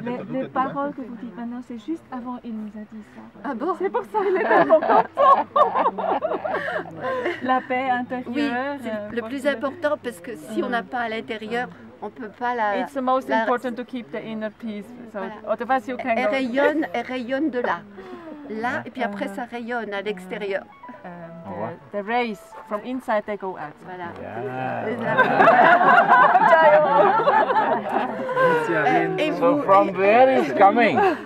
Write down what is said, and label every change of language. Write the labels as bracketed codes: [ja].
[fr] Les paroles que vous dites maintenant, c'est juste avant qu'il nous a dit ça. Ah bon? C'est pour ça qu'il est tellement content. La paix intérieure. Oui, c'est le plus important parce que si on n'a pas à l'intérieur, on peut pas la. [en] It's the most important to keep the inner peace. So voilà. Otherwise you can. [fr] Elle rayonne de là. Là, et puis après ça rayonne à l'extérieur. [en] The rays from inside they go out. [fr] Voilà. [en] Yeah. So from where is coming?